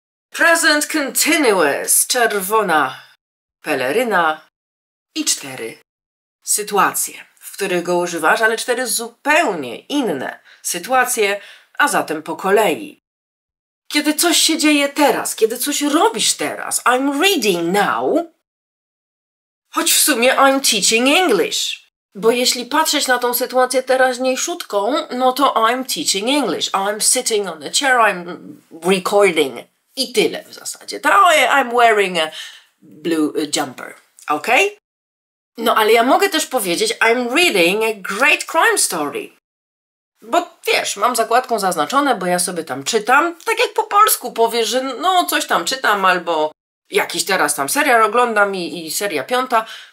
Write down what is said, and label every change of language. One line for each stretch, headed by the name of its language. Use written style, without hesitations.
Polish: Present continuous, czerwona peleryna i cztery sytuacje, w których go używasz, ale cztery zupełnie inne sytuacje, a zatem po kolei. Kiedy coś się dzieje teraz, kiedy coś robisz teraz,
English: I'm reading now,
Polish: choć w sumie
English: I'm teaching English.
Polish: Bo jeśli patrzeć na tą sytuację teraźniejszutką, no to
English: I'm teaching English. I'm sitting on a chair, I'm recording.
Polish: I tyle w zasadzie.
English: I'm wearing a blue jumper. Ok?
Polish: No ale ja mogę też powiedzieć
English: I'm reading a great crime story.
Polish: Bo wiesz, mam zakładką zaznaczone, bo ja sobie tam czytam, tak jak po polsku powiesz, że no coś tam czytam, albo jakiś teraz tam serial oglądam i seria piąta.